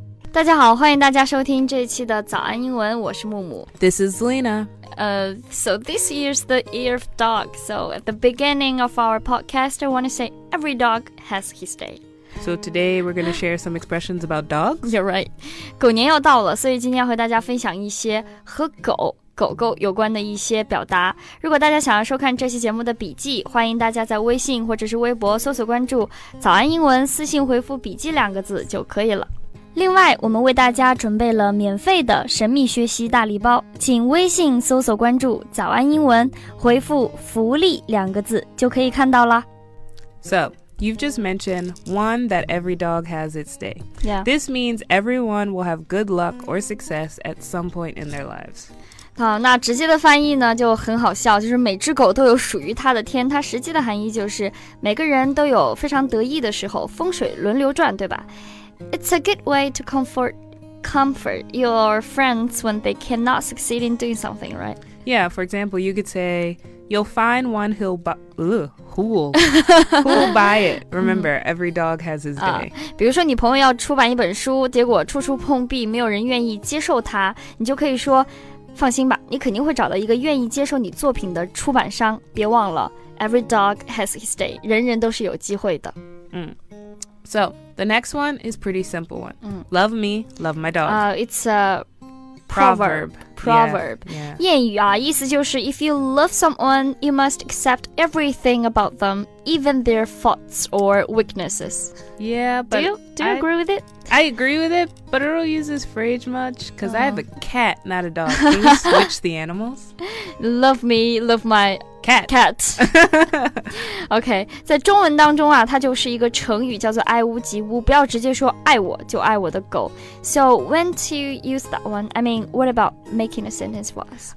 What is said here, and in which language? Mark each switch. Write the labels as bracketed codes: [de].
[zh] 大家好，欢迎大家收听这一期的早安英文，我是木木。 [en] This is Lena. So this year's the year of dog. So at the beginning of our podcast, I want to say every dog has his day. So today we're going to share some expressions about dogs. You're right. [zh] 狗年要到了，所以今天要和大家分享一些和狗狗狗有关的一些表达。如果大家想要收看这期节目的笔记，欢迎大家在微信或者是微博搜索关注早安英文，私信回复笔记两个字就可以了。另外，我们为大家准备了免费的神秘学习大礼包，请微信搜索关注早安英文，回复福利两个字就可以看到了。 [en] So you've just mentioned one that every dog has its day. Yeah. This means everyone will have good luck or success at some point in their lives. [zh] 那直接的翻译呢就很好笑，就是每只狗都有属于它的天，它实际的含义就是每个人都有非常得意的时候，风水轮流转，对吧？ [en] It's a good way to comfort your friends when they cannot succeed in doing something, right? Yeah, for example, you could say, you'll find one who'll buy it. Remember, every dog has his day. [zh] 比如说你朋友要出版一本书，结果处处碰壁，没有人愿意接受它，你就可以说放心吧，你肯定会找到一个愿意接受你作品的出版商。别忘了 ， [en] Every dog has his day， [zh] 人人都是有机会的。 [en] So the next one is pretty simple one. Love me, love my dog. It's a proverb. Proverb. Yeah, yeah. [zh] 谚语啊，意思就是 [en] if you love someone, you must accept everything about them, even their faults or weaknesses. Yeah, but do you agree with it? I agree with it, but I don't use this phrase much because I have a cat, not a dog. Can you switch the animals? Love me, love my cat. Cat. [zh] OK, 在中文当中啊，它就是一个成语，叫做爱屋及乌。不要直接说爱我就爱我的狗。 [en] So when to use that one? I mean, what about making a sentence for us?